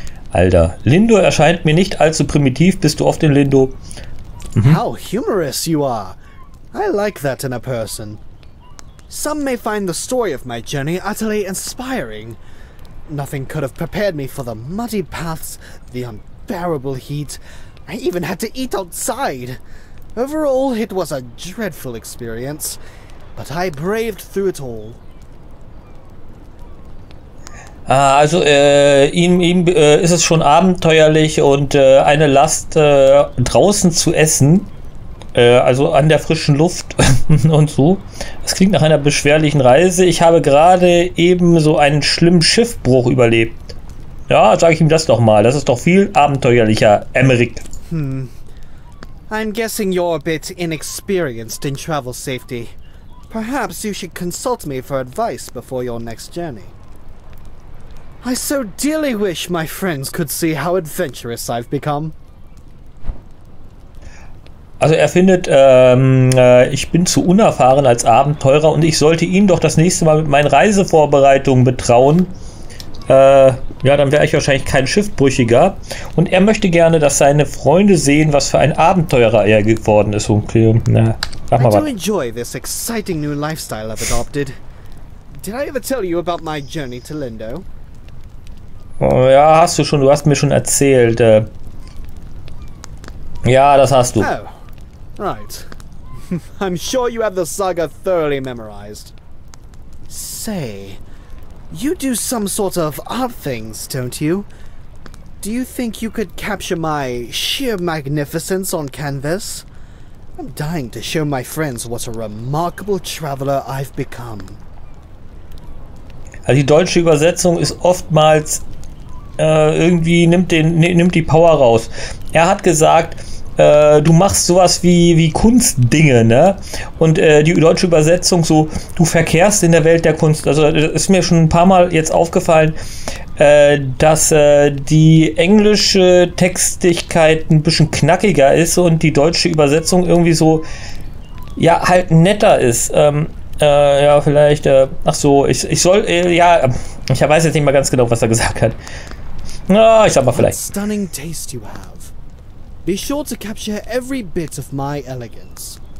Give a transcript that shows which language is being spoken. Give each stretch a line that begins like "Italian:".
German: Alter, Lindo erscheint mir nicht allzu primitiv, bist du oft in Lindo?
English: Mhm. How humorous you are! I like that in a person. Some may find the story of my journey utterly inspiring. Nothing could have prepared me for the muddy paths, the unbearable heat. I even had to eat outside. Overall, it was a dreadful experience, but I braved through it all.
German: Ah, also ihm ist es schon abenteuerlich und eine Last draußen zu essen, also an der frischen Luft und so. Es klingt nach einer beschwerlichen Reise. Ich habe gerade eben so einen schlimmen Schiffbruch überlebt. Ja, sage ich ihm das doch mal. Das ist doch viel abenteuerlicher, Emmerich.
English: I'm guessing you're a bit inexperienced in travel safety. Perhaps you should consult me for advice before your next journey. I so dearly wish my friends could see how adventurous I've become.
German: Also er findet, ich bin zu unerfahren als Abenteurer und ich sollte ihn doch das nächste Mal mit meinen Reisevorbereitungen betrauen. Ja, dann wäre ich wahrscheinlich kein Schiffbrüchiger. Und er möchte gerne, dass seine Freunde sehen, was für ein Abenteurer er geworden ist. Okay, na, sag mal was.
English: I do enjoy this exciting new lifestyle I've adopted. Did I ever tell you about my journey to Lindo?
German: Oh, ja, hast du schon, du hast mir schon erzählt. Ja, das hast du.
English: Oh, right. I'm sure you have the saga thoroughly memorized. Say... You do some sort of art things, don't you? Do you think you could capture my sheer magnificence on canvas? I'm dying to show my friends what a remarkable traveler I've become.
German: Also die deutsche Übersetzung ist oftmals irgendwie nimmt die Power raus. Er hat gesagt, du machst sowas wie Kunstdinge, ne? Und die deutsche Übersetzung so, du verkehrst in der Welt der Kunst. Also das ist mir schon ein paar Mal jetzt aufgefallen, dass die englische Textigkeit ein bisschen knackiger ist und die deutsche Übersetzung irgendwie so, ja, halt netter ist. Ja, vielleicht, ach so, ich weiß jetzt nicht mal ganz genau, was er gesagt hat. Na, ich sag mal vielleicht.
English: What stunning taste you have. Be sure to capture every bit of my elegance.